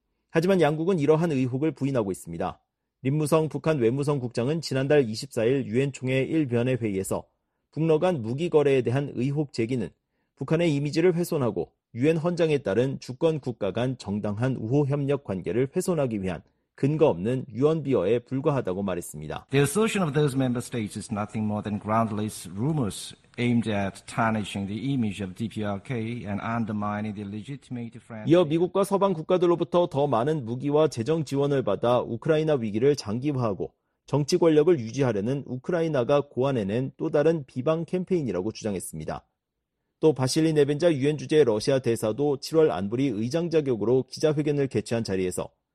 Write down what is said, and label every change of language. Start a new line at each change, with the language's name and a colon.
Korean: 하지만 양국은 이러한 의혹을 부인하고 있습니다. 림무성 북한 외무성 국장은 지난달 24일 유엔 총회 1변의 회의에서 북러 간 무기 거래에 대한 의혹 제기는 북한의 이미지를 훼손하고 유엔 헌장에 따른 주권 국가 간 정당한 우호 협력 관계를 훼손하기 위한 근거 없는 유언 비어에 불과하다고 말했습니다.
English: The assertion of those member states is nothing more than groundless rumors aimed at tarnishing the image of DPRK and undermining the legitimate friend.
Korean: 이어 미국과 서방 국가들로부터 더 많은 무기와 재정 지원을 받아 우크라이나 위기를 장기화하고 정치 권력을 유지하려는 우크라이나가 고안해낸 또 다른 비방 캠페인이라고 주장했습니다. 또 바실리 네벤자 유엔 주재 러시아 대사도 7월 안보리 의장 자격으로 기자회견을 개최한 자리에서